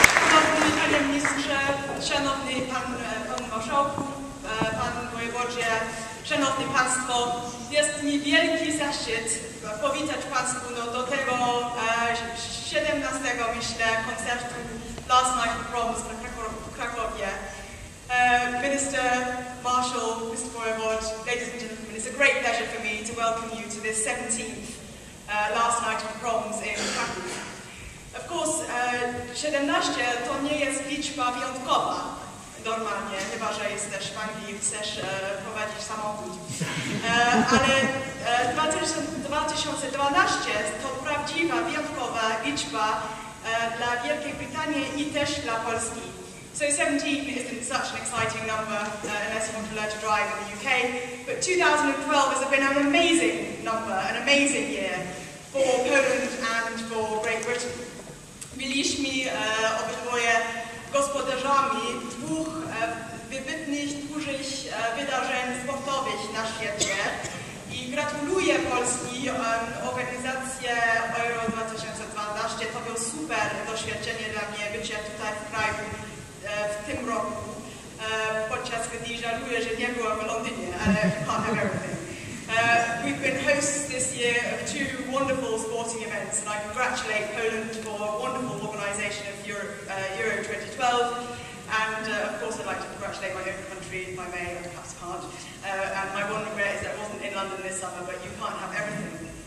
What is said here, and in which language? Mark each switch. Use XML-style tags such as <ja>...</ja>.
<pl>Szanowny panie ministrze, szanowny pan marszałku, pan wojewodzie, szanowny państwo, jest mi wielki zaszczyt powitać państwu no, do tego 17 myślę koncertu Last Night Proms w Krakowie.</pl> <en>Minister Marshall, Mr. Boyward, ladies and gentlemen, it's a great pleasure for me to welcome you to this 17th Last Night of the Proms in Krakow.</en> <pl>Of course, 17 to nie jest liczba wyjątkowa normalnie, chyba że jesteś w Anglii i chcesz prowadzić samochód. Ale 2012 to prawdziwa, wyjątkowa liczba dla Wielkiej Brytanii i też dla Polski.</pl> <en>So 17 isn't such an exciting number unless you want to learn to drive in the UK, but 2012 has been an amazing number, an amazing year for Poland and for Great Britain.</en> <pl>Byliśmy obydwoje gospodarzami dwóch wybitnych, dużych wydarzeń sportowych na świecie i gratuluję Polski organizację Euro 2012. To było super doświadczenie dla mnie bycie tutaj w kraju w tym roku, podczas gdy żaluję, że nie byłam w Londynie, ale</pl> <en>part of everything. We've been hosts this year of two wonderful sporting events, and I congratulate Poland for a wonderful organisation of Euro 2012, and of course I'd like to congratulate my own country, if I may, I perhaps can't. And my one regret is that I wasn't in London this summer, but you can't have everything.</en>